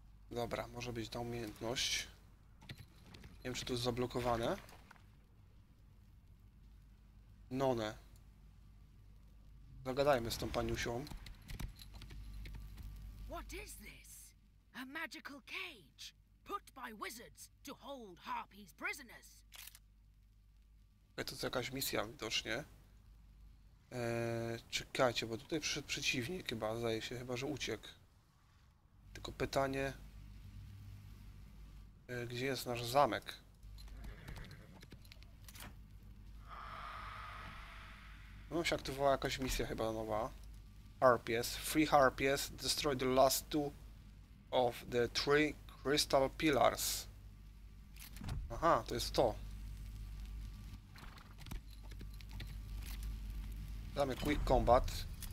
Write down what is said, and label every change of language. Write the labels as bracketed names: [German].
[Polish] Dobra, może być ta umiejętność. Nie wiem, czy to jest zablokowane. None. Zagadajmy z tą paniusią. Co to jest? [English] A magical cage? Put by wizards to hold harpies prisoners. [Polish] To jest jakaś misja widocznie. Czekajcie, bo tutaj przyszedł przeciwnik chyba, zdaje się, chyba że uciekł. Tylko pytanie, gdzie jest nasz zamek? No się aktywowała jakaś misja chyba nowa. [English] Harpies, three harpies, destroy the last two of the three crystal pillars. [Polish] Aha, to jest to. Damy quick combat.